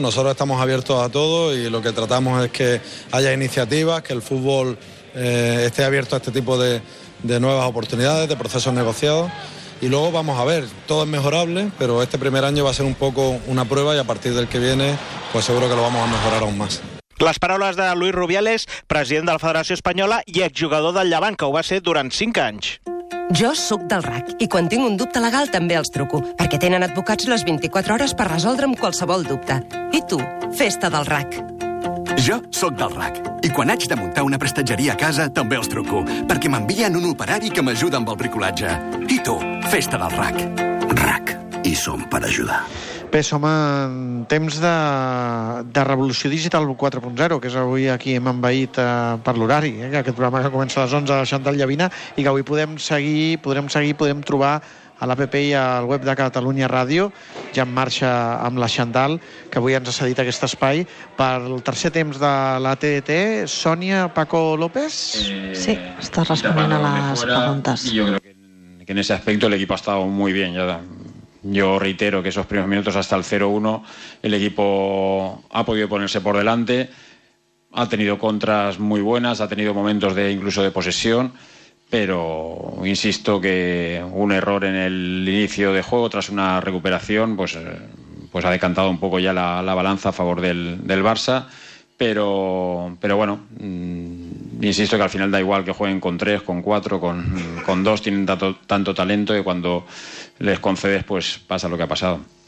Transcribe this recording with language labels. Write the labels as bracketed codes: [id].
[es] Nosotros estamos abiertos a todo y lo que tratamos es que haya iniciativas, que el fútbol esté abierto a este tipo de nuevas oportunidades, de procesos negociados. Y luego vamos a ver, todo es mejorable, pero este primer año va a ser un poco una prueba y a partir del que viene, pues seguro que lo vamos a mejorar aún más. [ca] Les paraules de Luis Rubiales, president de la Federació Espanyola i exjugador del Llevant, que ho va ser durant 5 anys. Jo sóc del RAC i quan tinc un dubte legal també els truco, perquè tenen advocats les 24 hores per resoldre'm qualsevol dubte. I tu, festa del RAC. Jo Jo sóc del RAC. I quan haig de muntar una prestatgeria a casa, també els truco, perquè m'envien un operari que m'ajuda amb el bricolatge. I tu, festa del RAC. RAC, hi som per ajudar. Bé, som en temps de revolució digital 4.0, que és avui aquí hem envaït per l'horari, aquest programa que comença a les 11 de Xantal Llavina, i que avui podem trobar a l'APP i al web de Catalunya Ràdio, ja en marxa amb la Xandall, que avui ens ha cedit aquest espai, pel tercer temps de la TDT. Sònia, Paco López? Sí, estàs responent a les preguntes. Jo crec que [es] en ese aspecto el equipo ha estado muy bien. Yo reitero que esos primeros minutos hasta el 0-1 el equipo ha podido ponerse por delante, ha tenido contras muy buenas, ha tenido momentos de incluso de posesión, pero insisto que un error en el inicio de juego tras una recuperación pues ha decantado un poco ya la balanza a favor del Barça, pero bueno, insisto que al final da igual que jueguen con 3, con 4, con 2, tienen tanto talento que cuando les concedes pues pasa lo que ha pasado.